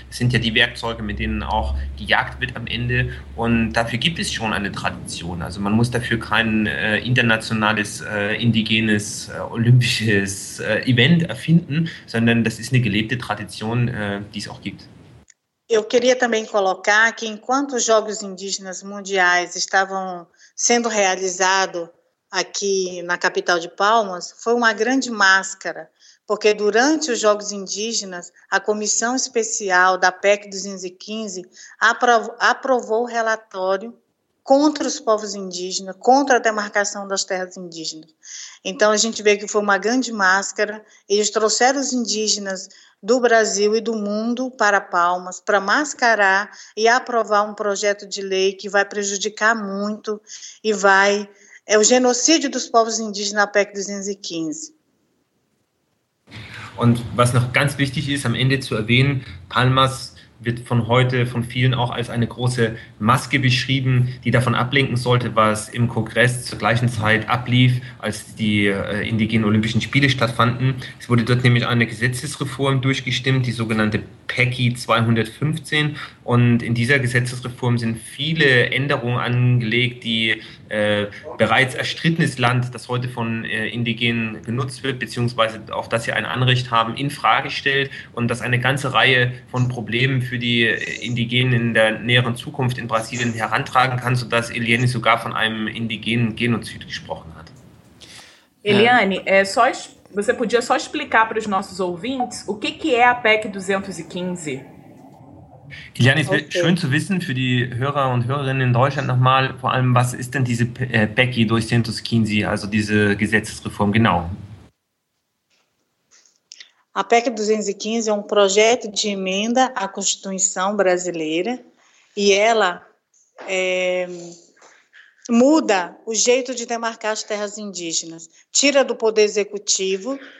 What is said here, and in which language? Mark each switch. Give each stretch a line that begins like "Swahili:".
German: Das sind ja die Werkzeuge, mit denen auch gejagt wird am Ende und dafür gibt es schon eine Tradition. Also man muss dafür kein internationales indigenes olympisches Event erfinden, sondern das ist eine gelebte Tradition, die es auch gibt.
Portuguese: Eu queria também colocar que enquanto os Jogos Indígenas Mundiais estavam sendo realizados aqui na capital de Palmas, foi uma grande máscara, porque durante os Jogos Indígenas, a Comissão Especial da PEC 215 aprovou o relatório contra os povos indígenas, contra a demarcação das terras indígenas. Então, a gente vê que foi uma grande máscara, eles trouxeram os indígenas do Brasil e do mundo para Palmas, para mascarar e aprovar um projeto de lei que vai prejudicar muito e vai... É o genocídio dos povos indígenas na PEC 215.
German: Und was noch ganz wichtig ist, am Ende zu erwähnen, Palmas wird von heute von vielen auch als eine große Maske beschrieben, die davon ablenken sollte, was im Kongress zur gleichen Zeit ablief, als die indigenen Olympischen Spiele stattfanden. Es wurde dort nämlich eine Gesetzesreform durchgestimmt, die sogenannte PECI 215. Und in dieser Gesetzesreform sind viele Änderungen angelegt, die bereits erstrittenes Land, das heute von Indigenen genutzt wird, beziehungsweise auf das sie ein Anrecht haben, in Frage stellt und das eine ganze Reihe von Problemen für die Indigenen in der näheren Zukunft in Brasilien herantragen kann, sodass Eliane sogar von einem indigenen Genozid gesprochen hat.
Portuguese: Eliane, você podia só explicar para os nossos ouvintes o que, que é a PEC 215?
German: Eliane, es wäre schön zu wissen für die Hörer und Hörerinnen in Deutschland nochmal, vor allem, was ist denn diese PEC 215, also diese Gesetzesreform, genau?
Portuguese: A PEC 215 é um projeto de emenda à Constituição brasileira e ela muda o jeito de demarcar as terras indígenas, tira do poder executivo,